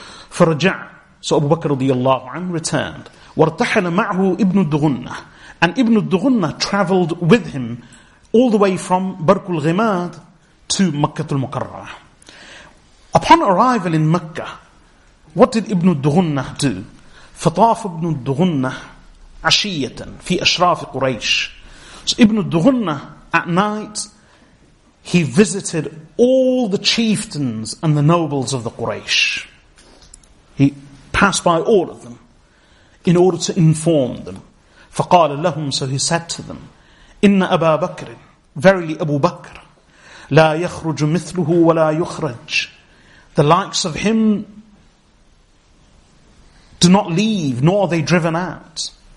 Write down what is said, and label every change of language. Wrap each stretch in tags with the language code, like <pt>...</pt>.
<ar>فَرَجَعْ,</ar> <en>so Abu Bakr radiallahu anhu returned.</en> <ar>وَارْتَحَلَ مَعْهُ</ar> <en>Ibn Dughunnah, and Ibn Dughunnah traveled with him all the way from Barkul Ghimad to Makkah al-Mukarrah. Upon arrival in Makkah, what did Ibn Dughunnah do?</en> <ar>فطاف Ibn Dughunnah عشيةً في أشراف قريش.</ar> <en>So Ibn Dughunnah, at night, he visited all the chieftains and the nobles of the Quraysh. He passed by all of them in order to inform them.</en> <ar>فقال لهم,</ar> <en>so he said to them,</en> <ar>إِنَّ أَبَا بَكْرٍ,</ar> <en>verily Abu Bakr,</en> <ar>لَا يَخْرُجُ مِثْلُهُ وَلَا يُخْرَجُ,</ar> <en>the likes of him do not leave, nor are they driven out.</en>